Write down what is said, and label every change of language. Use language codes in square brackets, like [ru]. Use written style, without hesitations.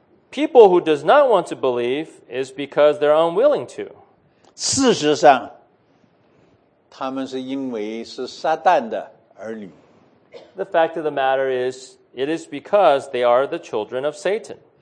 [en] People who does not want to believe is because they're unwilling to. [zh] 事实上，他们是因为是撒旦的儿女。 [en] The fact of the matter is, it is because they are the children of Satan.